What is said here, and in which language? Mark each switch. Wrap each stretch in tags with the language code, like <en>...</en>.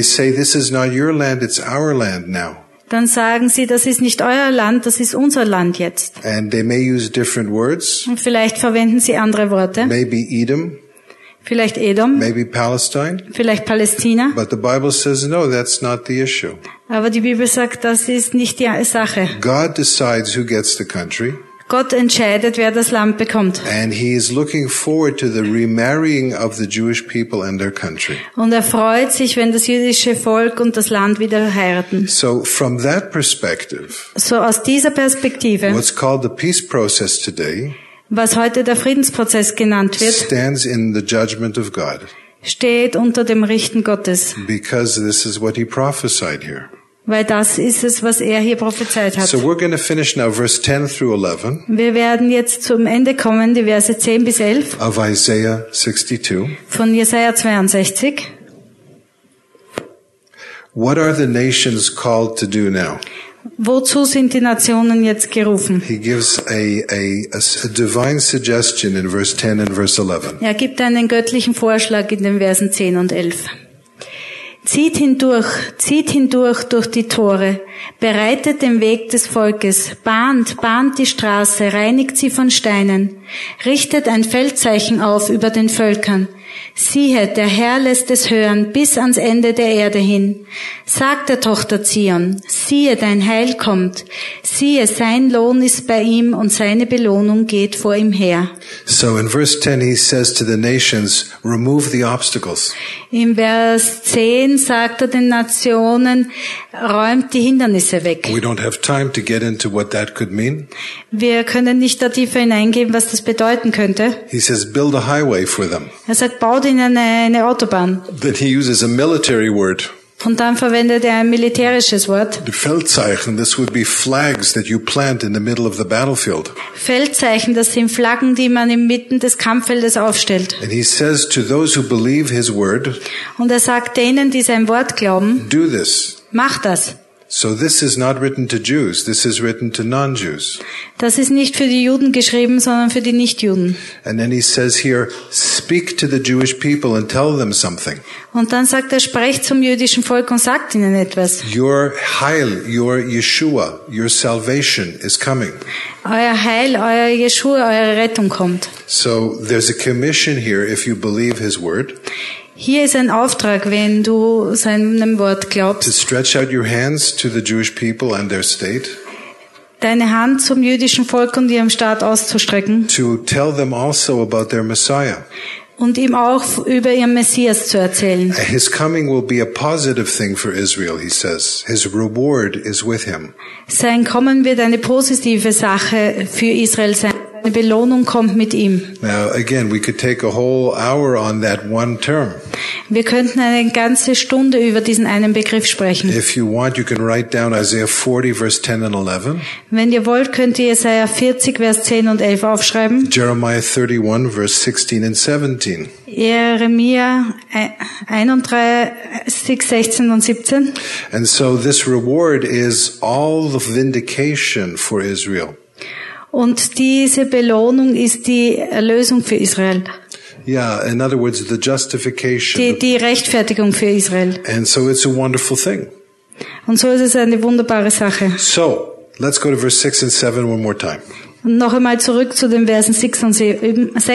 <en>they say, this is not your land, it's our land now.</en> <de>Dann sagen sie, das ist nicht euer Land, das ist unser Land jetzt.</de> <en>And they may use different words.</en> <de>Und vielleicht verwenden sie andere Worte.</de> <en>Maybe Edom.</en> <de>Vielleicht Edom.</de> <en>Maybe Palestine.</en> <de>Vielleicht Palästina.</de> <en>But the Bible says, no, that's not the issue.</en> <de>Aber die Bibel sagt, das ist nicht die Sache.</de> <en>God decides who gets the country.</en> <de>Gott entscheidet, wer das Land bekommt.</de> <en>And he is looking forward to the remarrying of the Jewish people and their country.</en> <de>Und er freut sich, wenn das jüdische Volk und das Land wieder heiraten.</de> <en>So from that perspective.</en> <de>So aus dieser Perspektive.</de> <en>What's called the peace process today.</en> <de>Was heute der Friedensprozess genannt wird.</de> <en>Stands in the judgment of God.</en> <de>Steht unter dem Richten Gottes.</de> <en>Because this is what he prophesied here.</en> <de>Weil das ist es, was er hier prophezeit hat.</de> <en>So we're going to finish now verse 10 through 11.</en> <de>Wir werden jetzt zum Ende kommen, die Verse 10 bis 11.</de> <en>Of Isaiah 62.</en> <de>Von Jesaja 62.</de> <en>What are the nations called to do now?</en> <de>Wozu sind die Nationen jetzt gerufen?</de> <en>He gives a divine suggestion in verse 10 and verse 11.</en> <de>Er gibt einen göttlichen Vorschlag in den Versen 10 und 11. Zieht hindurch durch die Tore, bereitet den Weg des Volkes, bahnt die Straße, reinigt sie von Steinen, richtet ein Feldzeichen auf über den Völkern. Siehe, der Herr lässt es hören bis ans Ende der Erde hin. Sagt der Tochter Zion, siehe, dein Heil kommt. Siehe, sein Lohn ist bei ihm und seine Belohnung geht vor ihm her.</de> <en>So in verse 10 he says to the nations, remove the obstacles.</en> <de>In Vers 10 sagt er den Nationen, räumt die Hindernisse weg.</de> <en>We don't have time to get into what that could mean.</en> <de>Wir können nicht da tiefer hineingehen, was das bedeuten könnte.</de> <en>He says, build a highway for them.</en> <de>Er sagt, baut ihnen eine Autobahn.</de> <en>Then he uses a military word.</en> <de>Und dann verwendet er ein militärisches Wort.</de> <en>Feldzeichen, this would be flags that you plant in the middle of the battlefield.</en> <de>Feldzeichen, das sind Flaggen, die man inmitten des Kampffeldes aufstellt.</de> <en>And he says to those who believe his word.</en> <de>Und er sagt denen, die sein Wort glauben.</de> <en>Do this.</en> <de>Mach das.</de> <en>So this is not written to Jews, this is written to non-Jews.</en> <de>Das ist nicht für die Juden geschrieben, sondern für die Nicht-Juden.</de> <en>And then he says here, speak to the Jewish people and tell them something.</en> <de>Und dann sagt er, sprecht zum jüdischen Volk und sagt ihnen etwas.</de> <en>Your Heil, your Yeshua, your salvation is coming.</en> <de>Euer Heil, euer Yeshua, eure Rettung kommt.</de> <en>So there's a commission here if you believe his word.</en> <de>Hier ist ein Auftrag, wenn du seinem Wort glaubst.</de> <en>To stretch out your hands to the Jewish people and their state.</en> <de>Deine Hand zum jüdischen Volk und ihrem Staat auszustrecken.</de> <en>To tell them also about their Messiah.</en> <de>Und ihm auch über ihren Messias zu erzählen.</de> <en>His coming will be a positive thing for Israel, he says. His reward is with him.</en> <de>Sein Kommen wird eine positive Sache für Israel sein. eine Belohnung kommt mit ihm.</de> <en>Now again, we could take a whole hour on that one term.</en> <de>Wir könnten eine ganze Stunde über diesen einen Begriff sprechen.</de> <en>If you want, you can write down Isaiah 40, verse 10 and 11.</en> <de>Wenn ihr wollt, könnt ihr Jesaja 40, Vers 10 und 11 aufschreiben.</de> <en>Jeremiah 31, verse 16 and 17.</en> <de>Jeremia 31, 16 und 17.</de> <en>And so this reward is all the vindication for Israel.</en> <de>Und diese Belohnung ist die Erlösung für Israel.</de> <en>Yeah, in other words, the justification.</en> <de>Die Rechtfertigung für Israel.</de> <en>And so it's a wonderful thing.</en> <de>Und so ist es eine wunderbare Sache.</de> <en>So, let's go to verse 6 and 7 one more time.</en> <de>Und noch einmal zurück zu den Versen 6 und 7.</de>